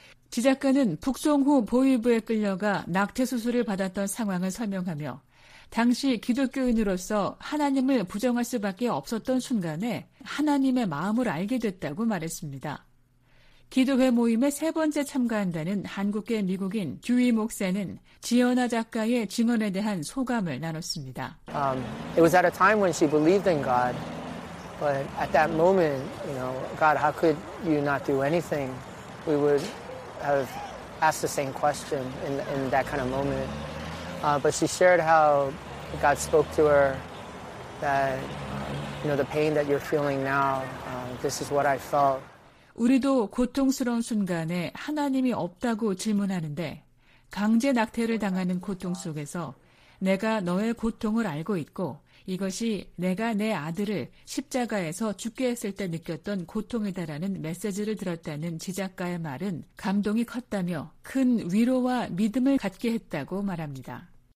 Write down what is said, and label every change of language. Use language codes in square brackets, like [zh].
[ko] 지 작가는 북송 후 보위부에 끌려가 낙태 수술을 받았던 상황을 설명하며 당시 기독교인으로서 하나님을 부정할 수밖에 없었던 순간에 하나님의 마음을 알게 됐다고 말했습니다. 기도회 모임에 세 번째 참가한다는 한국계 미국인 듀이 목사는 지연아 작가의 증언에 대한 소감을 나눴습니다. [en] It was at a time when she believed in God, but at that moment, you know, God, how could you not do anything? We would have asked the same question in that kind of moment. But she shared how God spoke to her that, you know, the pain that you're feeling now, this is what I felt. [ko] 우리도 고통스러운 순간에 하나님이 없다고 질문하는데 강제 낙태를 당하는 고통 속에서 내가 너의 고통을 알고 있고 이것이 내가 내 아들을 십자가에서 죽게 했을 때 느꼈던 고통이다라는 메시지를 들었다는 지작가의 말은 감동이 컸다며 큰 위로와 믿음을 갖게 했다고 말합니다.